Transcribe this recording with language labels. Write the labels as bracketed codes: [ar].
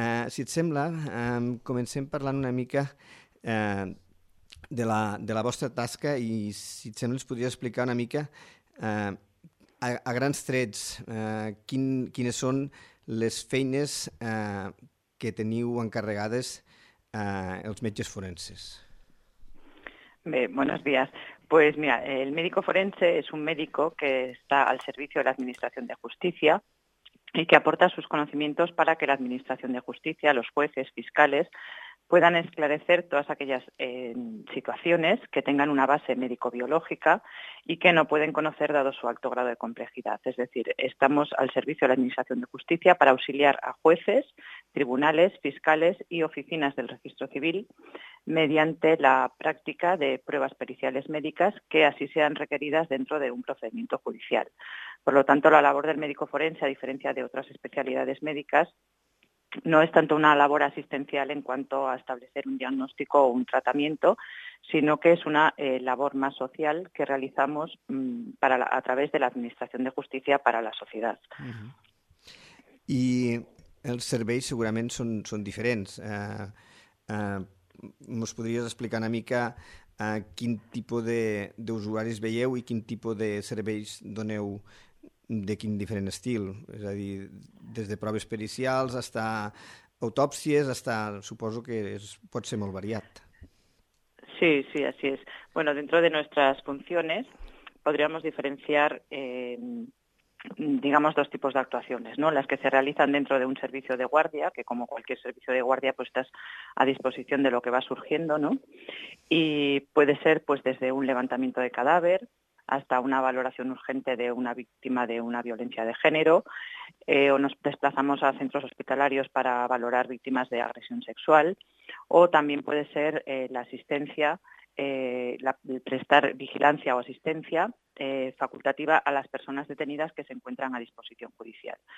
[ca] Si et sembla, comencem parlant una mica de la vostra tasca, i si et sembla ens podries explicar una mica a grans trets quines són les feines que teniu encarregades els metges forenses. [es] Bé, buenos días. Pues mira, el médico forense es un médico que está al servicio de la Administración de Justicia y que aporta sus conocimientos para que la Administración de Justicia, los jueces, fiscales, puedan esclarecer todas aquellas situaciones que tengan una base médico-biológica y que no pueden conocer dado su alto grado de complejidad. Es decir, estamos al servicio de la Administración de Justicia para auxiliar a jueces, tribunales, fiscales y oficinas del Registro Civil mediante la práctica de pruebas periciales médicas que así sean requeridas dentro de un procedimiento judicial. Por lo tanto, la labor del médico forense, a diferencia de otras especialidades médicas, no es tanto una labor asistencial en cuanto a establecer un diagnóstico o un tratamiento, sino que es una labor más social que realizamos a través de la Administración de Justicia para la sociedad. Uh-huh. [ca] I els serveis segurament són diferents. Ens podries explicar una mica quin tipus d'usuaris veieu i quin tipus de serveis doneu, de quin diferent estil, és a dir, des de proves pericials fins a autòpsies, suposo que pot ser molt variat. [es] Sí, sí, así es. Bueno, dentro de nuestras funciones podríamos diferenciar, digamos, dos tipos de actuaciones, ¿no? Las que se realizan dentro de un servicio de guardia, que como cualquier servicio de guardia, pues estás a disposición de lo que va surgiendo, ¿no? Y puede ser, pues, desde un levantamiento de cadáver hasta una valoración urgente de una víctima de una violencia de género, o nos desplazamos a centros hospitalarios para valorar víctimas de agresión sexual, o también puede ser la asistencia, prestar vigilancia o asistencia facultativa a las personas detenidas que se encuentran a disposición judicial.